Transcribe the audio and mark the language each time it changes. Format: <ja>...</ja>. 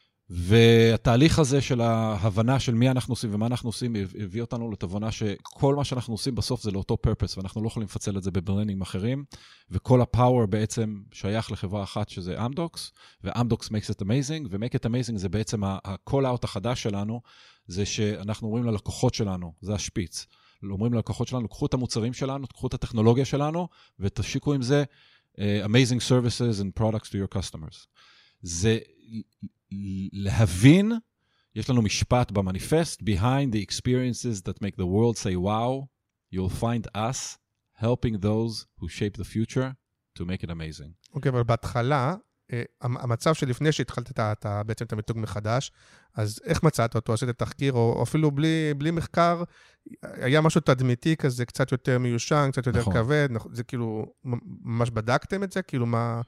<he>והתהליך הזה של ההבנה של מי אנחנו עושים ומה אנחנו עושים, הביא אותנו לתבונה שכל מה שאנחנו עושים בסוף זה לאותו פרפס, ואנחנו לא יכולים לפצל את זה בברנדינג אחרים, וכל הפאוור בעצם שייך לחברה אחת שזה אמדוקס, ואמדוקס</he> <en>makes it amazing,</en> <he>ו-make it amazing זה בעצם ה-call-out החדש שלנו, זה שאנחנו אומרים ללקוחות שלנו, זה השפיץ, אומרים ללקוחות שלנו, קחו את המוצרים שלנו, קחו את הטכנולוגיה שלנו, ותשיקו עם זה</he> <en>amazing services and products to your customers.</en> <he>זה להבין, יש לנו משפט במניפסט,</he> <en>behind the experiences that make the world say wow, you'll find us helping those who shape the future to make it amazing.</en> <he>אוקיי, אבל בהתחלה, המצב שלפני שהתחלת בעצם את המיתוג מחדש, אז איך מצאת אותו? עשית תחקיר, או אפילו בלי מחקר, היה משהו תדמיתי כזה, קצת יותר מיושן, קצת יותר כבד, זה כאילו, ממש בדקתם את זה? כאילו מה...</he>